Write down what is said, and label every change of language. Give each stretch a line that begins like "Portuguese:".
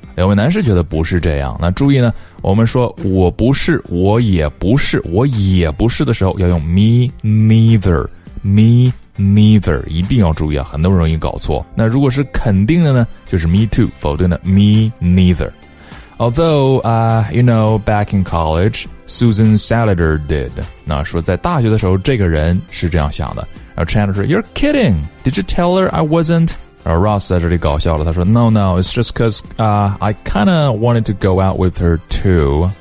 Chinese: 两位男士觉得不是这样，那注意呢，我们说我不是，我也不是，我也不是的时候要用 me neither, me neither, 一定要注意啊，很多人容易搞错。那如果是肯定的呢，就是 me too, 否定的 me neither.
English: Although, you know, back in college, Susan Salader did.
Chinese: 那说在大学的时候这个人是这样想的。然后 Chandler 说
English: You're kidding, did you tell her I wasn't?
Chinese: 然后 Ross 在这里搞笑了，他说
English: No, it's just cause I kinda wanted to go out with her too.